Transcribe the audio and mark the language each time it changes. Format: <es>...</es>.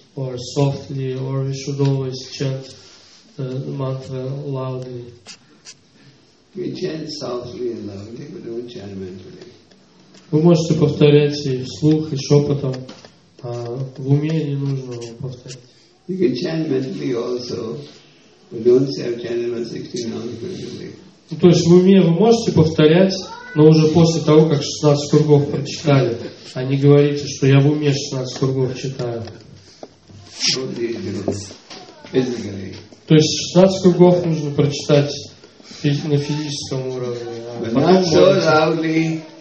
<en>Or softly, or we should always chant the mantra loudly. We chant softly and loudly, but don't chant mentally.</en> <ru>Вы можете повторять и вслух, и шепотом, а в уме не нужно повторять.</ru> <en>You can chant mentally also, but don't say I've chanted my 16 rounds mentally.</en> <ru>Ну, то есть в уме вы можете повторять, но уже после того, как 16 кругов прочитали, а не говорите, что я в уме 16 кругов читаю. То есть 16 кругов нужно прочитать на физическом уровне.</ru>